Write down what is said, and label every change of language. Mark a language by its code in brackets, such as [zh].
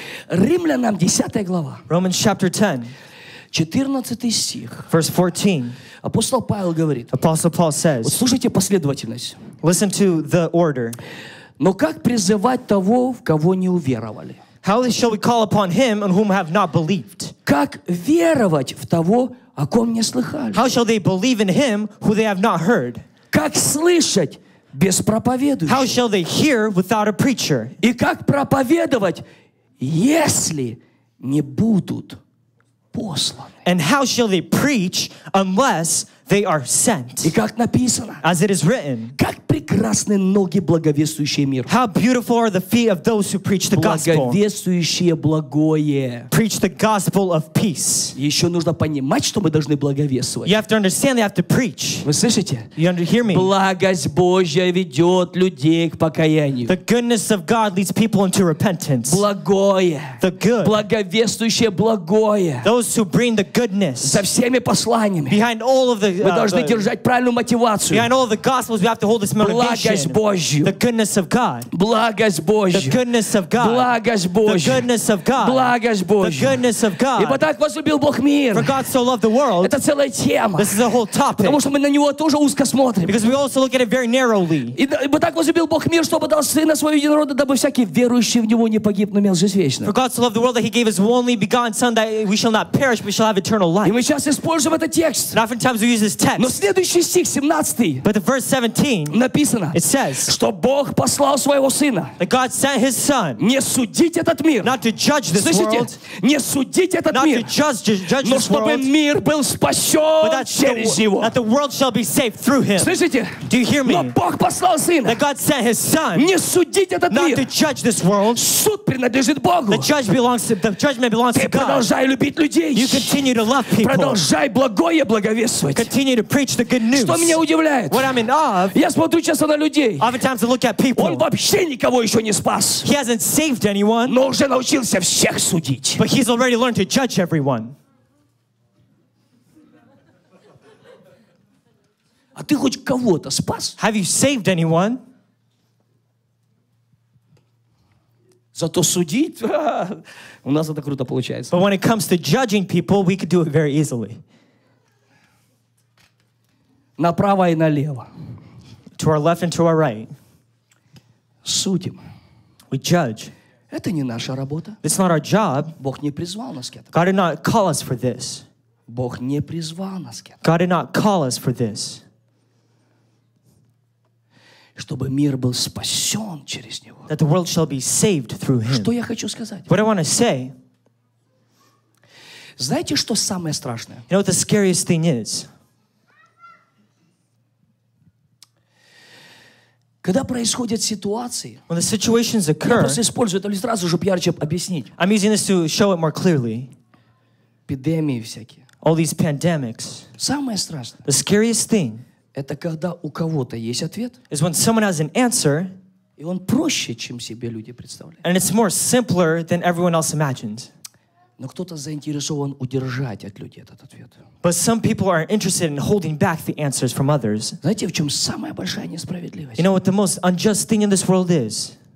[ru] Римлянам 10 глава. [en] Romans chapter 10. [ru] 14 стих. [en] Verse 14. [ru] Апостол Павел говорит. [en] Apostle Paul says. [ru] Вот слушайте последовательность. [en] Listen to the order. [ru] Но как призывать того, в кого не уверовали? [en] How shall we call upon him on whom have not believed? [ru] Как веровать в того, о ком не слыхали? [en] How shall they believe in him who they have not heard? [ru] Как слышать без проповедующего? [en] How shall they hear without a preacher? [ru] И как проповедовать, если не будут посланы? [en] And how shall they preach unless they are sent? [ru] И как написано? [en] As it is written. [ru] Как прекрасные ноги благовествующие мир. [en] How beautiful are the feet of those who preach the gospel. [ru] Благовествующие благое. [en] Preach the gospel of peace. [ru] Еще нужно понимать, что мы должны благовествовать. [en] You have to understand, you have to preach. [ru] Вы слышите? [en] You hear me? [ru] Благость Божья ведет людей к покаянию. [en] The goodness of God leads people into repentance. [ru] Благое. [en] The good. [ru] Благовествующие благое. [en] Those who bring the goodness. [ru] Со всеми посланиями. [en] Behind all of the. [ru] Мы должны держать правильную мотивацию. [en] Behind all of the gospels, we have to hold this motivation. [ru] Благость Божью. [en] The goodness of God. [ru] Благость Божью. [en] The goodness of God. [ru] Благость Божью. [en] The goodness of God. [ru] Благость Божью. [en] The goodness of God. [ru] Ибо так возлюбил Бог мир. [en] For God so loved the world. [ru] Это целая тема. [en] This is a whole topic. [ru] Потому что мы на него тоже узко смотрим. [en] Because we also look at it very narrowly. [ru] Ибо так возлюбил Бог мир, чтобы дал Сына Своего Единородного, дабы всякий верующий в Него не погиб, но имел жизнь вечную. [en] For God so loved the world that He gave His only begotten Son, that we shall not perish, but shall have eternal life. [ru] И мы часто используем этот текст. [en] And oftentimes we use this text. [ru] Но следующий стих, 17. [en] But the verse 17. [ru] Написано. [en] It says. [ru] Что Бог послал своего сына. [en] That God sent his son. [ru] Не судить этот мир. [en] Not to judge this world. [ru] Слышите? Не судить этот [en] not [ru] мир. [en] Not to judge this world. [ru] Но чтобы мир был спасен через него. [en] That the world shall be saved through him. [ru] Слышите? [en] Do you hear me? [ru] Но Бог послал сына. [en] That God sent his son. [ru] Не судить этот [en] not [ru] мир. [en] Not to judge this world. [ru] Суд принадлежит Богу. [en] The judgment belongs [ru] ты [en] to God. [ru] Ты продолжай любить людей. [en] You continue to love people. [ru] Продолжай благое благовествовать. [en] Continue to preach the good news. [ru] Что меня удивляет? [en] What I'm in awe of. [ru] Я смотрю часто на людей. [en] Oftentimes I look at people. [ru] Он вообще никого еще не спас. [en] He hasn't saved anyone. [ru] Но уже научился всех судить. [en] But he's already learned to judge everyone. [ru] А ты хоть кого-то спас? [en] Have you saved anyone? [ru] Зато судить, у нас это круто получается. [en] But when it comes to judging people, we could do it very easily. [ru] Направо и налево. [en] To our left and to our right. [ru] Судим. [en] We judge. [ru] Это не наша работа. [en] It's not our job. [ru] Бог не призвал нас к этому. [en] God did not call us for this. [ru] Бог не призвал нас к этому. [en] God did not call us for this. [ru] Чтобы мир был спасен через него. [en] That the world shall be saved through him. [ru] Что я хочу сказать? [en] What I want to say. [ru] Знаете, что самое страшное? [en] You know what the scariest thing is? [ru] Когда происходят ситуации, [en] when the situations occur, [ru] я просто использую это сразу, чтобы ярче объяснить. [en] I'm using this to show it more clearly. [ru] Эпидемии всякие. [en] All these pandemics. [ru] Самое страшное. [en] The scariest thing. [ru] Это когда у кого-то есть ответ. [en] Is when someone has an answer. [ru] И он проще, чем себе люди представляют. [en] And it's more simpler than everyone else imagined. [ru] Но кто-то заинтересован удержать от людей этот ответ. [en] But some people are interested in holding back the answers from others. [ru] Знаете, в чем самая большая несправедливость? [en] You know what the most unjust thing in this world is?